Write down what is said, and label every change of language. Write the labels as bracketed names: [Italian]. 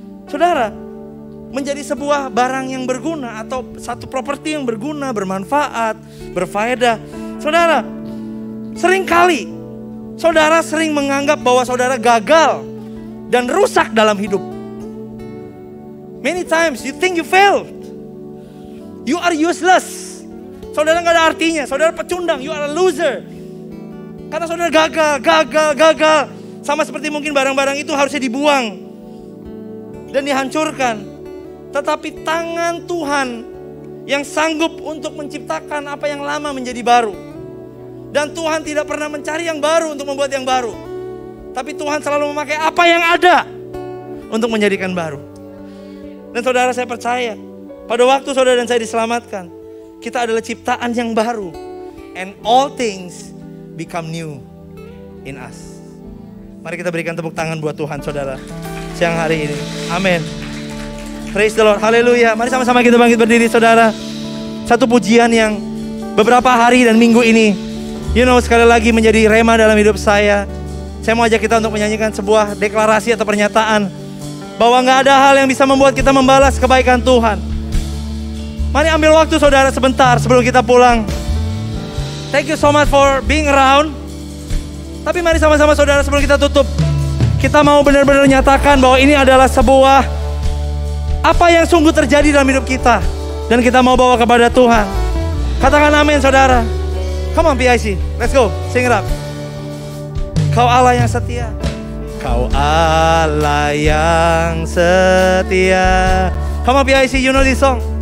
[Indonesian] Saudara, menjadi sebuah barang yang berguna atau satu properti yang berguna, bermanfaat, berfaedah. Saudara, seringkali saudara sering menganggap bahwa saudara gagal dan rusak dalam hidup. [English] Many times you think you failed. You are useless. [Indonesian] Saudara gak ada artinya, saudara pecundang, [English] you are a loser. [Indonesian] Karena saudara gagal. Sama seperti mungkin barang-barang itu harusnya dibuang dan dihancurkan. Tetapi tangan Tuhan yang sanggup untuk menciptakan apa yang lama menjadi baru. Dan Tuhan tidak pernah mencari yang baru untuk membuat yang baru. Tapi Tuhan selalu memakai apa yang ada untuk menjadikan baru. Dan saudara, saya percaya pada waktu saudara dan saya diselamatkan, kita adalah ciptaan yang baru. [English] And all things become new in us. [Indonesian] Mari kita berikan tepuk tangan buat Tuhan saudara siang hari ini. Amin. [English] Praise the Lord. [Indonesian] Haleluya. Mari sama-sama kita bangkit berdiri saudara. Satu pujian yang beberapa hari dan minggu ini, you know, sekali lagi menjadi rema dalam hidup saya. Saya mau ajak kita untuk menyanyikan sebuah deklarasi atau pernyataan bahwa gak ada hal yang bisa membuat kita membalas kebaikan Tuhan. Mari ambil waktu saudara sebentar sebelum kita pulang. [English] Thank you so much for being around. [Indonesian] Tapi mari sama-sama saudara sebelum kita tutup, kita mau benar-benar nyatakan bahwa ini adalah sebuah apa yang sungguh terjadi dalam hidup kita. Dan kita mau bawa kepada Tuhan. Katakan amin saudara. [English] Come on PIC, let's go, sing it up. [Indonesian] Kau Allah yang setia. Kau Allah yang setia. [English] Come on PIC, you know this song.